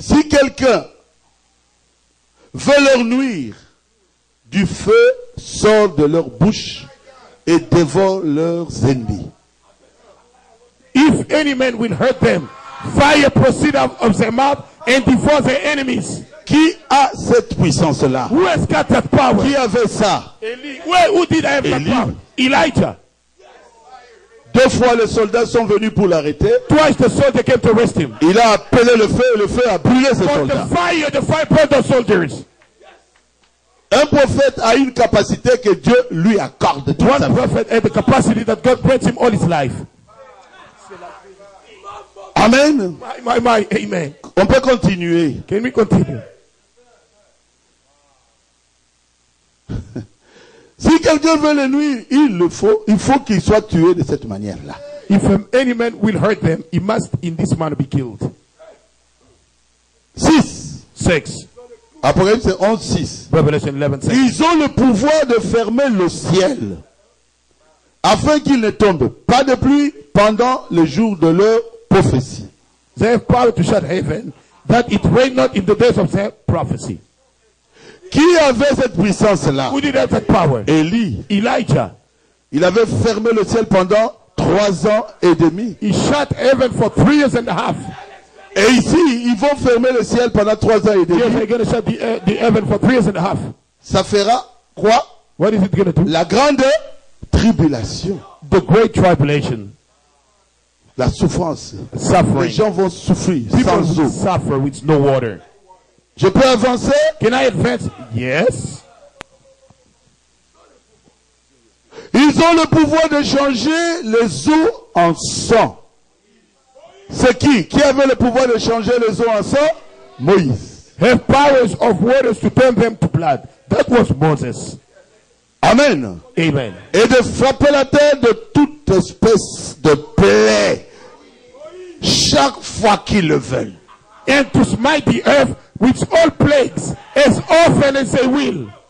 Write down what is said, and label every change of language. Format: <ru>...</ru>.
<fr>Si quelqu'un veut leur nuire, du feu sort de leur bouche et dévore leurs ennemis.</fr> <en>If any man will hurt them, fire proceed out of their mouth and devour their enemies.</en> <fr>Qui a cette puissance là?</fr> <en>Who has got that power?</en> <fr>Qui avait ça?</fr> <en>Where, who did have that power? Elijah.</en> <fr>Deux fois les soldats sont venus pour l'arrêter.</fr> <en>Twice the soldiers came to arrest him.</en> <fr>Il a appelé le feu et le feu a brûlé ses soldats.</fr> <en>The fire burned the soldiers.</en> <fr>Un prophète a une capacité que Dieu lui accorde toute sa vie.</fr> <en>One prophet has the capacity that God grants him all his life.</en> <fr>Amen.</fr> <en>My, amen.</en> <fr>On peut continuer.</fr> <en>Can we continue?</en> <fr>Si quelqu'un veut les nuire, il faut qu'il soit tué de cette manière-là.</fr> <en>If any man will hurt them, he must in this manner be killed.</en> <fr>6.</fr> <en>6.</en> <fr>Apocalypse 11:6.</fr> <en>Revelation 11:6.</en> <fr>Ils ont le pouvoir de fermer le ciel afin qu'il ne tombe pas de pluie pendant le jour de leur prophétie.</fr> <en>They have power to shut heaven that it rain not in the days of their prophecy.</en> <fr>Qui avait cette puissance là?</fr> <en>Who did have that power?</en> <fr>Élie.</fr> <en>Elijah.</en> <fr>Il avait fermé le ciel pendant 3 ans et demi.</fr> <en>He shut heaven for 3 years and a half.</en> <fr>Et ici, ils vont fermer le ciel pendant 3 ans et demi.</fr> <en>Yes, they're going to shut the heaven for 3 years and a half.</en> <fr>Ça fera quoi?</fr> <en>What is it going to do?</en> <fr>La grande tribulation.</fr> <en>The great tribulation.</en> <fr>La souffrance.</fr> <en>Suffering.</en> <fr>Les gens vont souffrir</fr> <en>people</en> <fr>sans eau.</fr> <en>Suffer with no water.</en> <fr>Je peux avancer?</fr> <en>Can I advance? Yes.</en> <fr>Ils ont le pouvoir de changer les eaux en sang. C'est qui? Qui avait le pouvoir de changer les eaux en sang? Moïse.</fr> <en>Have powers of waters to turn them to blood. That was Moses.</en> <fr>Amen.</fr> <en>Amen.</en> <fr>Et de frapper la terre de toute espèce de plaie. Chaque fois qu'ils le veulent.</fr> <en>And to smite the earth with all plagues as often as they will.</en>